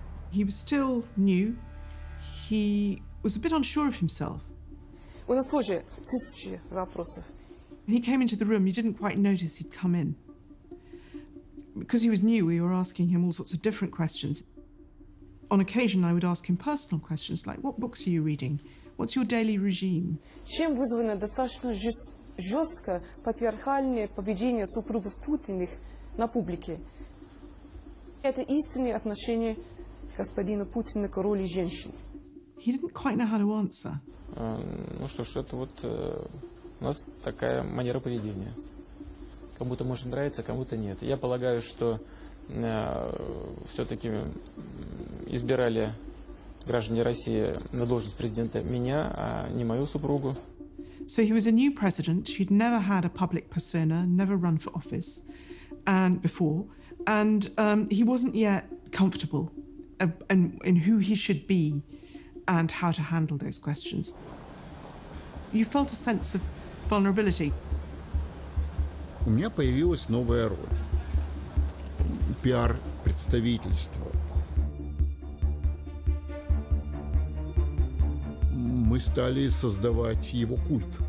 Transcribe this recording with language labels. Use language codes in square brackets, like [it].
[en] He was still new. He was a bit unsure of himself. When he came into the room, you didn't quite notice he'd come in. Because he was new, we were asking him all sorts of different questions. On occasion, I would ask him personal questions like, what books are you reading? What's your daily regime? [ru] Чем вызвано достаточно жесткое патриархальное поведение супругов Путиных на публике? Это истинные отношения господина Путина к роли женщины. [en] He didn't quite know how to answer. [ru] Ну что ж, это вот у нас такая манера поведения. Кому-то может нравиться, кому-то нет. Я полагаю, что все-таки избирали граждане России на должность президента меня, а не мою супругу. [en] So he was a new president. He'd never had a public persona, never run for office before. And he wasn't yet comfortable in who he should be and how to handle those questions. You felt a sense of vulnerability. [ru] У меня появилась новая роль. Пиар-представительство. Мы стали создавать его культ.